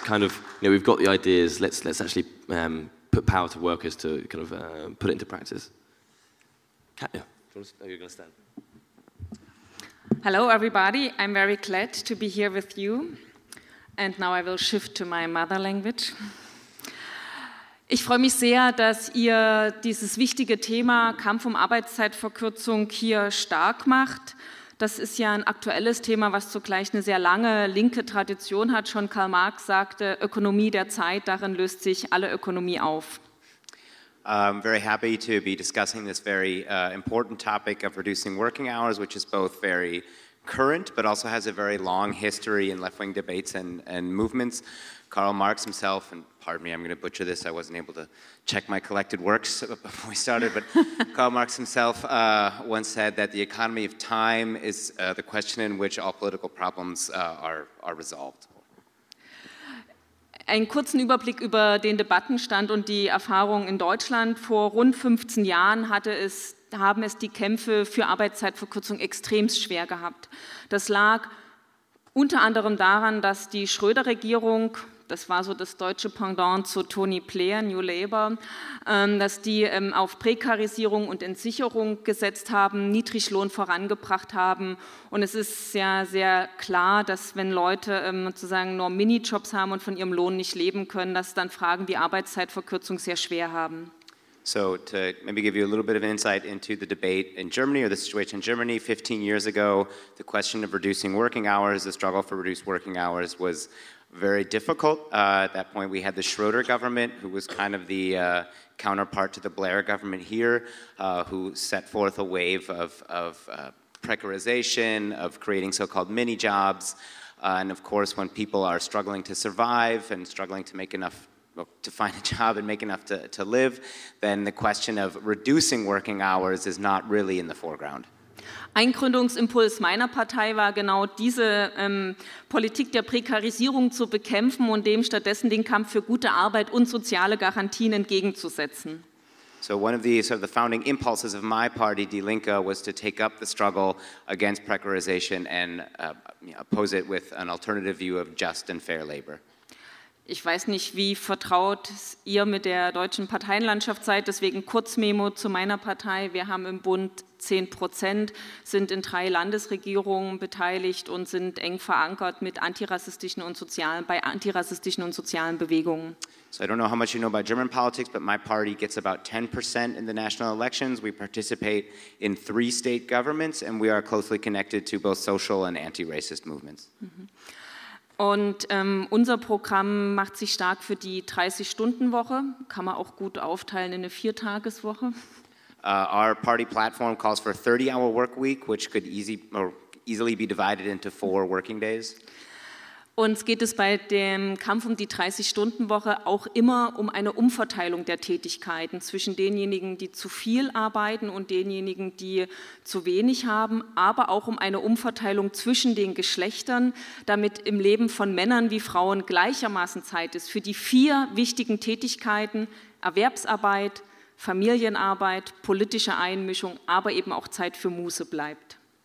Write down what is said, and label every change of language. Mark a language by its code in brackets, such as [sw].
[en] Kind of, you know, we've got the ideas, let's actually put power to workers to kind of put it into practice. Katja, you're going to stand. Hello, everybody. I'm very glad to be here with you. And now I will shift to my mother language. [de] Ich freue mich sehr, dass ihr dieses wichtige Thema Kampf um Arbeitszeitverkürzung hier stark macht. Das ist ja ein aktuelles Thema, was zugleich eine sehr lange linke Tradition hat. Schon Karl Marx sagte, Ökonomie der Zeit, darin löst sich alle Ökonomie auf. [en] I'm very happy to be discussing this very important topic of reducing working hours, which is both very current, but also has a very long history in left-wing debates and movements. Karl Marx himself, and pardon me, I'm going to butcher this, I wasn't able to check my collected works before we started, but Karl Marx himself once said that the economy of time is the question in which all political problems are resolved. [de] Einen kurzen Überblick über den Debattenstand und die Erfahrung in Deutschland. Vor rund 15 Jahren haben es die Kämpfe für Arbeitszeitverkürzung extrem schwer gehabt. Das lag unter anderem daran, dass die Schröder-Regierung, das war so das deutsche Pendant zu Tony Blair, New Labour, dass die auf Prekarisierung und Entsicherung gesetzt haben, Niedriglohn vorangebracht haben. Und es ist ja sehr klar, dass wenn Leute sozusagen nur Minijobs haben und von ihrem Lohn nicht leben können, dass dann Fragen wie Arbeitszeitverkürzung sehr schwer haben. [en] So to maybe give you a little bit of insight into the debate in Germany or the situation in Germany 15 years ago, the question of reducing working hours, the struggle for reduced working hours was very difficult. At that point, we had the Schröder government, who was kind of the counterpart to the Blair government here, who set forth a wave of precarization, of creating so-called mini-jobs. And of course, when people are struggling to survive and struggling to make enough to find a job and make enough to live, then the question of reducing working hours is not really in the foreground. [de] Ein Gründungsimpuls meiner Partei war genau diese Politik der Prekarisierung zu bekämpfen und dem stattdessen den Kampf für gute Arbeit und soziale Garantien entgegenzusetzen. [en] So one of the sort of the founding impulses of my party, Die Linke, was to take up the struggle against precarization and oppose it with an alternative view of just and fair labor. [de] Ich weiß nicht, wie vertraut ihr mit der deutschen Parteienlandschaft seid, deswegen Kurzmemo zu meiner Partei. Wir haben im Bund 10%, sind in 3 Landesregierungen beteiligt und sind eng verankert mit antirassistischen und sozialen Bewegungen. [en] So I don't know how much you know about German politics, but my party gets about 10% in the national elections. We participate in 3 state governments and we are closely connected to both social and anti-racist movements. Mm-hmm. [de] Und unser Programm macht sich stark für die 30-Stunden-Woche, kann man auch gut aufteilen in eine 4-Tages-Woche. [en] Our party platform calls for a 30-hour work week, which could easily be divided into 4 working days. [de] Uns geht es bei dem Kampf um die 30-Stunden-Woche auch immer um eine Umverteilung der Tätigkeiten zwischen denjenigen, die zu viel arbeiten und denjenigen, die zu wenig haben, aber auch um eine Umverteilung zwischen den Geschlechtern, damit im Leben von Männern wie Frauen gleichermaßen Zeit ist für die vier wichtigen Tätigkeiten: Erwerbsarbeit, Familienarbeit, politische Einmischung, aber eben auch Zeit für Muße bleibt.